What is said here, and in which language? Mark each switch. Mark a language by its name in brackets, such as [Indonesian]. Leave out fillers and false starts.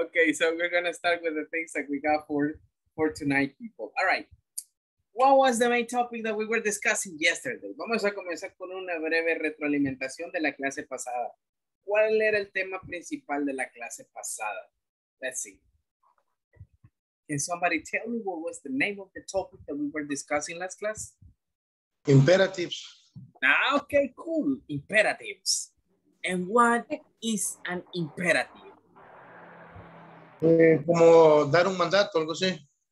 [English] Okay, so we're going to start with the things that we got for tonight, people. All right. What was the main topic that we were discussing yesterday? [Spanish] Vamos a comenzar con una breve retroalimentación de la clase pasada. ¿Cuál era el tema principal de la clase pasada? [English] Let's see. Can somebody tell me what was the name of the topic that we were discussing last class? Imperatives. Okay, cool. Imperatives. And what is an imperative? [Spanish] Como dar un mandato, algo así.